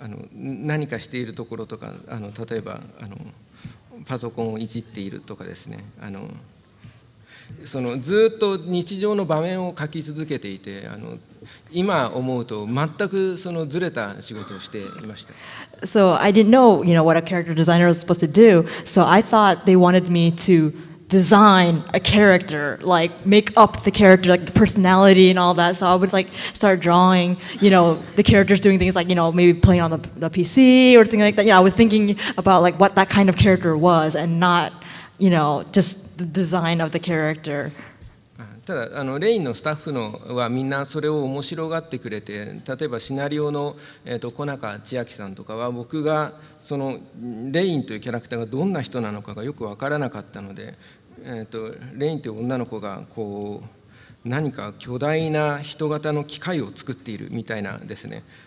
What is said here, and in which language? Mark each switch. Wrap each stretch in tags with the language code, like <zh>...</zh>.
<ja>何かしているところとか、例えばパソコンをいじっているとかですね、そのずっと日常の場面を描き続けていて、今思うと全くそのずれた仕事をしていました。</ja> <en>So I didn't know, you know, what a character designer was supposed to do. So I thought they wanted me to design a character, like make up the character, like the personality and all that. So I would like start drawing, you know, the characters doing things like, you know, maybe playing on the PC or something like that. Yeah, I was thinking about like what that kind of character was and not. You know, just the design of the character.</en> <ja>ただレインのスタッフのはみんなそれを面白がってくれて、例えばシナリオの、小中千秋さんとかは僕がそのレインというキャラクターがどんな人なのかがよく分からなかったので、レインという女の子がこう何か巨大な人型の機械を作っているみたいなですね、</ja>